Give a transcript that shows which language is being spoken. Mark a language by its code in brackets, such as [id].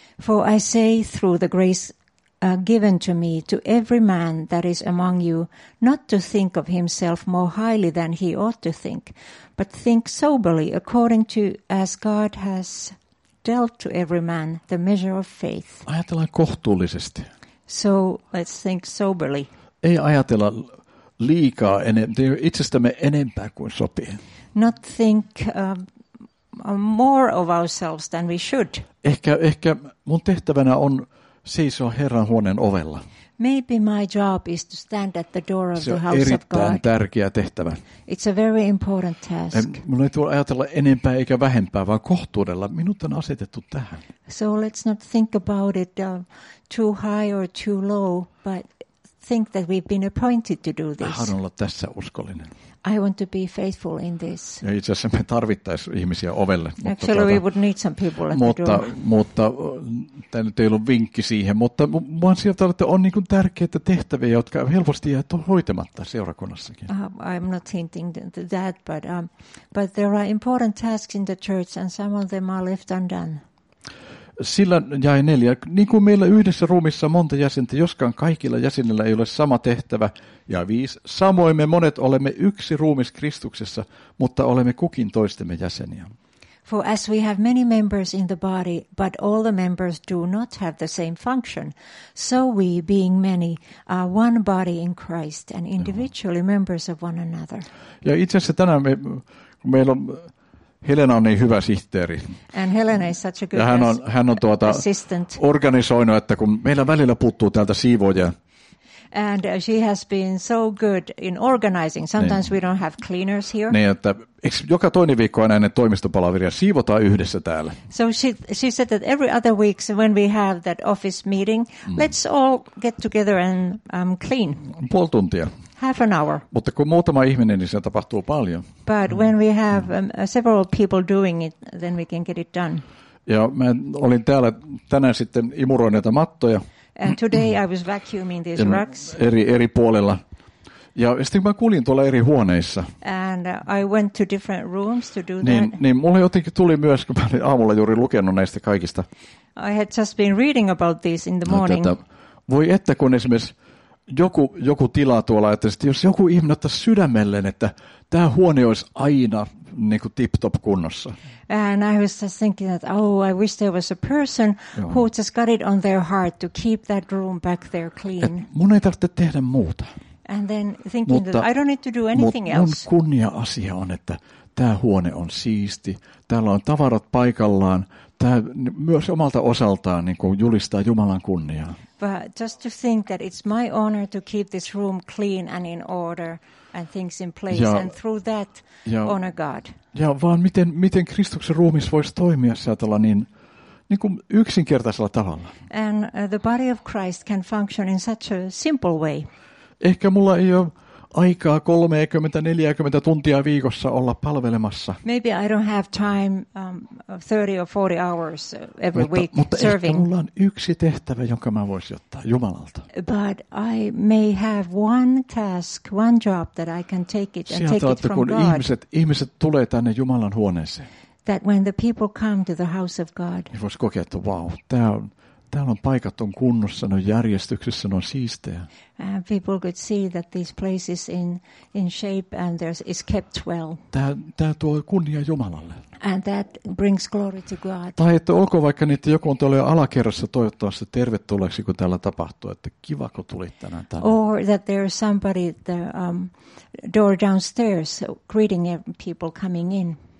[en] For I say through the grace given to me to every man that is among you, not to think of himself more highly than he ought to think, but think soberly according to as God has dealt to every man the measure of faith. [fi] Ajatellaan kohtuullisesti. [en] So let's think soberly. [fi] Ei ajatella liikaa itsestämme enempää kuin sopii. [en] Not think more of ourselves than we should. [fi] Ehkä mun tehtävänä on seisoa Herran huoneen ovella. [en] Maybe my job is to stand at the door of the house of God. [fi] Se on erittäin tärkeä tehtävä. [en] It's a very important task. [fi] Mun ei tule ajatella enempää eikä vähempää, vaan kohtuudella. Minut on asetettu tähän. [en] So let's not think about it too high or too low, but think that we've been appointed to do this. [fi] Mä haluan olla tässä uskollinen. [en] I want to be faithful in this. [fi] Ja itse asiassa me tarvittaisi ihmisiä ovelle. [en] Actually, we would need some people at the door. [fi] Mutta tämä nyt ei ollut vinkki siihen, mutta vaan sieltä olette, on niin kuin tärkeitä tehtäviä, jotka helposti jäävät hoitamatta seurakunnassakin. [en] I'm not hinting that, but there are important tasks in the church and some of them are left undone. [fi] Sillä jäi neljä. Niin kuin meillä yhdessä ruumissa monta jäsentä, joskaan kaikilla jäsenillä ei ole sama tehtävä, ja viisi. Samoin me monet olemme yksi ruumis Kristuksessa, mutta olemme kukin toistemme jäseniä. [en] For as we have many members in the body, but all the members do not have the same function, so we, being many, are one body in Christ and individually members of one another. [fi] Ja itse asiassa tänään meillä on... Helena on niin hyvä sihteeri. [en] And Helena is such a good assistant. [fi] Ja hän on tuota [en] assistant. [fi] Organisoinut, että kun meillä välillä puuttuu täältä siivoja. [en] And she has been so good in organizing. Sometimes niin. We don't have cleaners here. [fi] Niin, että joka toinen viikko aina ennen toimistopalaveria siivotaan yhdessä täällä. [en] So she said that every other week when we have that office meeting, let's all get together and clean. [fi] Puoli tuntia. [en] Half an hour. [fi] Mutta kun muutama ihminen, niin se tapahtuu paljon. [en] But when we have several people doing it, then we can get it done. [fi] Ja mä olin täällä tänään sitten imuroin näitä mattoja. [en] And today I was vacuuming these rugs. [fi] Eri puolella. Ja sitten mä kuulin tuolla eri huoneissa. [en] And I went to different rooms to do [fi] niin, [en] that. [fi] Niin mulle jotenkin tuli myös, kun mä olin aamulla juuri lukenut näistä kaikista. [en] I had just been reading about this in the morning. [fi] Että, voi että kun esimerkiksi... Joku tila tuolla, että jos joku ihminen ottaisi sydämelleen, että tämä huone olisi aina niin kuin tip-top kunnossa. [en] And I was just thinking that, oh, I wish there was a person who just got it on their heart to keep that room back there clean. [fi] Et mun ei tarvitse tehdä muuta. [en] And then thinking [fi] mutta, [en] that I don't need to do anything [fi] mun [en] else. [fi] Mun kunnia-asia on, että tämä huone on siisti, täällä on tavarat paikallaan, tämä myös omalta osaltaan niin kuin julistaa Jumalan kunniaa. [en] But just to think that it's my honor to keep this room clean and in order and things in place [fi] ja, [en] and through that [fi] ja, [en] honor God. [fi] Ja vaan miten Kristuksen ruumis voisi toimia sieltä niin kuin yksinkertaisella tavalla. [en] And the body of Christ can function in such a simple way. [fi] Ehkä mulla ei ole aikaa 30-40 tuntia viikossa olla palvelemassa. [en] Maybe I don't have time 30 or 40 hours every week [fi] mutta [en] serving. [fi] Mutta ehkä mulla on yksi tehtävä, jonka mä voisin ottaa Jumalalta. [en] But I may have one task, one job that I can take it and take it from [fi] kun [en] God. [fi] Ihmiset tulee tänne Jumalan huoneeseen. [en] That when the people come to the house of God. [fi] Niin vois kokea, että wow, täällä on paikat on kunnossa, ne on järjestyksessä, ne on siistejä. [en] And people could see that these places in shape and there's is kept well. [fi] Tämä tuo kunnia Jumalalle. [en] And that brings glory to God. [fi] Tai että olko vaikka niitä joku on tuolla alakerrassa toivottavasti tervetulleeksi, kun täällä tapahtuu, että kiva kun tulit tänään tänne. [en] Or that there is somebody at the door downstairs greeting people coming in.